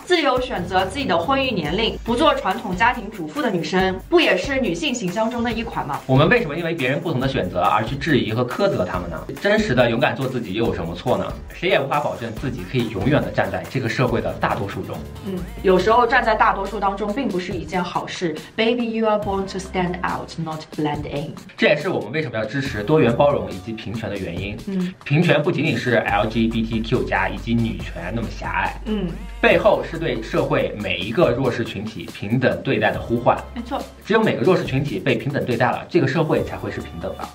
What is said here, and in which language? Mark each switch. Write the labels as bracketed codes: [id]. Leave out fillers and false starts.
[zh] 自由选择自己的婚育年龄，不做传统家庭主妇的女生不也是女性形象中的一款吗？我们为什么因为别人不同的选择而去质疑和苛责他们呢？真实的勇敢做自己又有什么错呢？谁也无法保证自己可以永远的站在这个社会的大多数中。有时候站在大多数当中并不是一件好事。 [en] Baby you are born to stand out not blend in， [zh] 这也是我们为什么要支持多元包容以及平权的原因。平权不仅仅是 LGBTQ 加以及女权那么狭隘，背后是对社会每一个弱势群体平等对待的呼唤。没错，只有每个弱势群体被平等对待了，这个社会才会是平等的。